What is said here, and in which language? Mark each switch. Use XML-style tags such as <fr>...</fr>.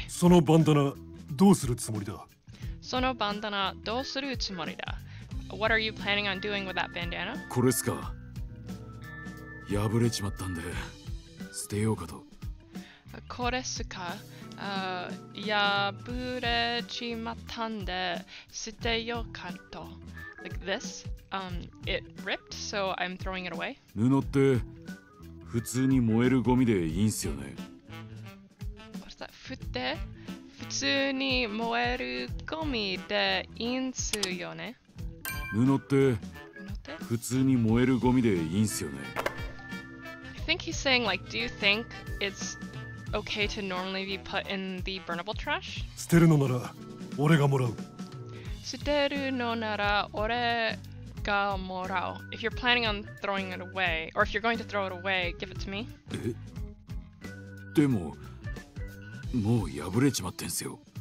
<ja>そのバンダナ、どうするつもりだ？そのバンダナ、どうするつもりだ？</ja> <en>What are you planning on doing with that bandana?</en> <ja>これっすか。破れちまったんで、捨てようかと。これっすか。破れちまったんで、捨てようかと。</ja> <en>Like this, it ripped, so I'm throwing it away.</en> <ja>布って普通に燃えるゴミでいいんすよね。</ja> <en>What's that?</en> <ja>布って普通に燃えるゴミでいいんすよね。布って普通に燃えるゴミでいいんすよね。</ja> <en>I think he's saying, like, do you think it's okay to normally be put in the burnable trash?</en> <ja>捨てるのなら俺がもらう。捨てるのなら俺がもらう。</ja> <en>If you're planning on throwing it away, or if you're going to throw it away, give it to me.</en> <ja>え？でも、もう破れちまってんすよ。</ja>